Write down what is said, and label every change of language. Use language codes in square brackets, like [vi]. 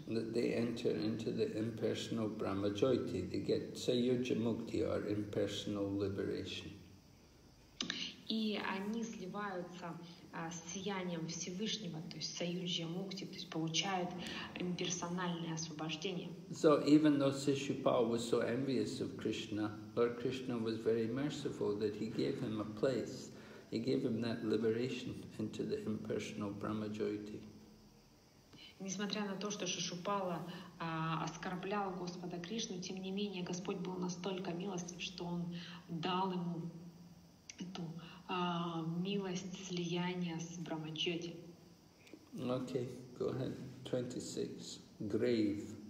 [en] That they enter into the impersonal Brahmajyoti, they get Sayuja Mukti, or impersonal liberation. [ru] И они сливаются с сиянием Всевышнего, то есть Саюджья Мукти, то есть получают имперсональное освобождение. [en] So even though Sishupal was so envious of Krishna, Lord Krishna was very merciful that he gave him a place. He gave him that liberation into the impersonal Brahmajyoti. [ru] Несмотря на то, что Шишупала оскорблял Господа Кришну, тем не менее Господь был настолько милостив, что он дал ему эту милость слияния с Брахмачёти. [en] Okay, go ahead. 26. Grave.